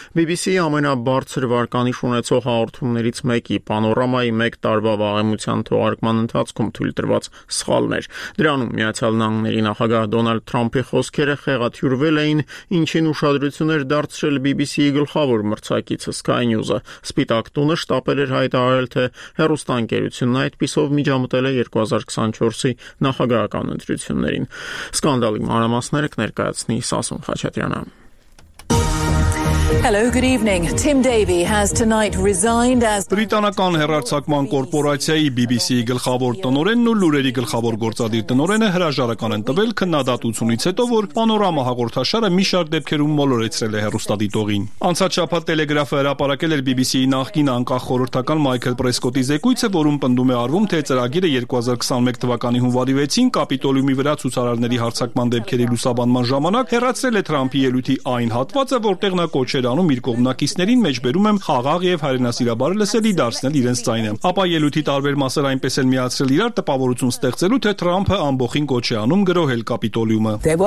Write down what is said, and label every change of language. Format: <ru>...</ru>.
<hy>BBC-ի ամենաբարձր վարկանիշ ունեցող հաղորդումներից մեկի՝ Պանորամայի 1 տարվա վաղեմության թողարկման ընթացքում թույլ տրված սխալներ։ Դրանում Միացյալ Նահանգների նախագահ Դոնալդ Թրամփի խոսքերը խեղաթյուրվել էին, ինչին ուշադրություններ դարձրել BBC-ի գլխավոր մրցակիցը Sky News-ը։ Սպիտակ տունը շտապել էր հայտարարել, թե հեռուստաընկերությունն այդպիսով միջամտել է 2024-ի նախագահական ընտրություններին։ Սկանդալի մանրամասները կներկայացնի Սասուն Խաչատրյանը։</hy> <en>Hello, good evening. Tim Davey has tonight resigned as</en> <hy>Բրիտանական հեռարձակման կորպորացիայի BBC-ի գլխավոր տնօրենն ու լուրերի գլխավոր գործադիր տնօրենը հրաժարական են տվել քննադատությունից հետո, որ Պանորամա հաղորդաշարը մի շարք դեպքերում մոլորեցրել է հեռուստադիտողին։ Անցած շաբաթ Telegraph-ը հրապարակել էր BBC-ի նախկին անկախ խորհրդական Michael Prescott-ի զեկույցը, որում պնդում է արվում, թե ծրագիրը 2021 թվականի հունվարի 6-ին Կապիտոլիումի վրա ցուցարարների հարձակման դեպքերի լուսաբանման ժամանակ հեռացրել է Թրամփի ելույթի այն հատվածը, որտեղ նա չերանում իր կողմնակիցներին մեջբերում եմ խաղաղ եւ հայրենասիրաբար լսելի դարձնել իրենց ցայնը։ Ապա ելույթի տարբեր մասեր այնպես էլ միացրել իրար տպավորություն ստեղծելու, թե Թրամփը ամբողջին կոչեանում գրոհել Կապիտոլիումը։</hy>